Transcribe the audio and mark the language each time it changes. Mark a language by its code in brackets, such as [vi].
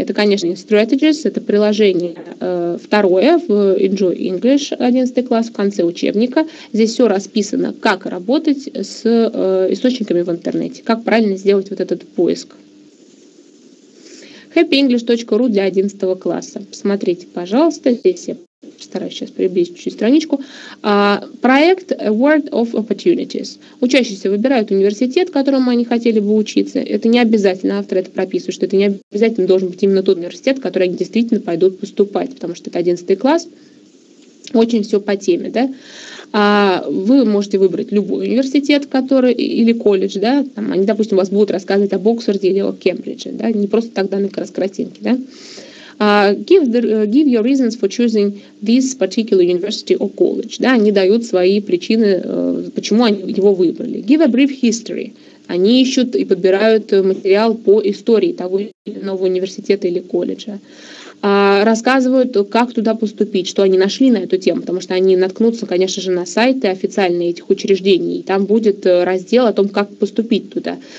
[ru] Это, конечно, Strategies, это приложение второе в Enjoy English 11 класс в конце учебника. Здесь все расписано, как работать с источниками в интернете, как правильно сделать вот этот поиск. happyenglish.ru для 11 класса. Посмотрите, пожалуйста, здесь я постараюсь сейчас приблизить чуть-чуть страничку. Проект A World of Opportunities. Учащиеся выбирают университет, которому они хотели бы учиться. Это не обязательно, авторы это прописывают, что это не обязательно должен быть именно тот университет, в который они действительно пойдут поступать, потому что это 11 класс, очень все по теме, да. Вы можете выбрать любой университет, который или колледж, да, там они, допустим, у вас будут рассказывать об Оксфорде или о Кембридже, да, не просто так данные как раз картинки, да. [en] Give your reasons for choosing this particular university or college. [ru] Да, они дают свои причины, почему они его выбрали. [en] Give a brief history. [ru] Они ищут и подбирают материал по истории того или иного университета или колледжа. Рассказывают, как туда поступить, что они нашли на эту тему, потому что они наткнутся, конечно же, на сайты официальные этих учреждений, и там будет раздел о том, как поступить туда.